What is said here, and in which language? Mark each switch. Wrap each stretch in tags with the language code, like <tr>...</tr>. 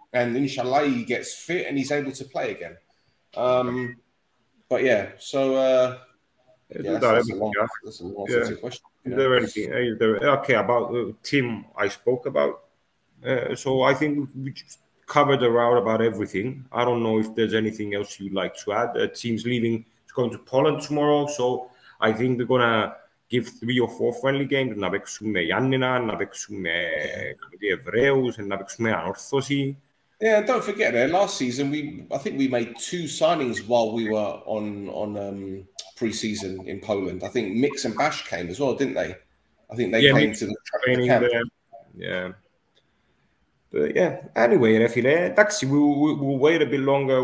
<en>And inshallah, he gets fit and he's able to play again. Team I spoke about. So I think we just covered around about everything. I don't know if there's anything else you'd like to add. The team's leaving, it's going to Poland tomorrow. So I think they're going to give three or four friendly games.</en> <el>Να παίξουμε Γιάννηνα, να παίξουμε Εβραίους, να παίξουμε Ανόρθωση.</el> <en>Yeah, don't forget, last season, I think we made two signings while we were on pre-season in Poland. I think Mix and Bash came as well, didn't they? I think they came to the training camp. But yeah, anyway, Refile, taxi, we'll wait a bit longer.</en>